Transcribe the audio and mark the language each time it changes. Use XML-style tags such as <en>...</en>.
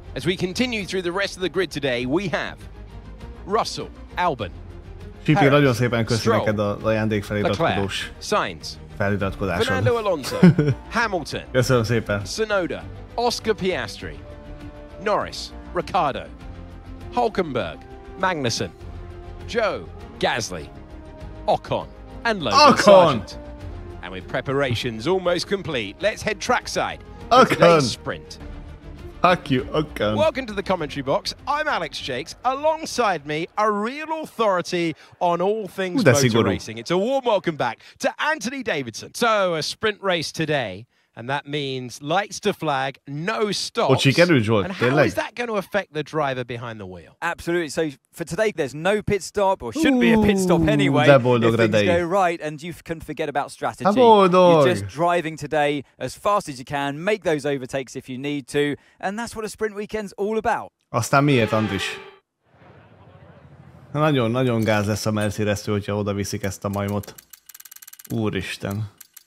<en>As we continue through the rest of the grid today, we have Russell, Albon.</en> <hu>Csipi, nagyon szépen köszi neked a ajándék feliratkodós.</hu> <en>Sainz.</en> <hu>Feliratkodásod.</hu> <en>Fernando Alonso. Hamilton.</en> <hu>Köszönöm szépen.</hu> <en>Tsunoda. Oscar Piastri. Norris. Ricardo. Hülkenberg, Magnussen, Joe, Gasly, Ocon, and Logan Ocon. Sargent. And with preparations almost complete, let's head trackside for today's sprint. Fuck you, Ocon. Welcome to the commentary box. I'm Alex Jakes. Alongside me, a real authority on all things motor racing. It's a warm welcome back to Anthony Davidson. So, a sprint race today. And that means lights to flag, no stops. Oh, and how is that going to affect the driver behind the wheel? Absolutely. So for today, there's no pit stop, or shouldn't be a pit stop anyway. If things go right, and you can forget about strategy. You're just driving today as fast as you can, make those overtakes if you need to, and that's what a sprint weekend's all about.</en> <hu>Aztán miért, Andris? Nagyon, nagyon gáz lesz a Mercedes, hogyha oda viszik ezt a majmot. Úristen.</hu>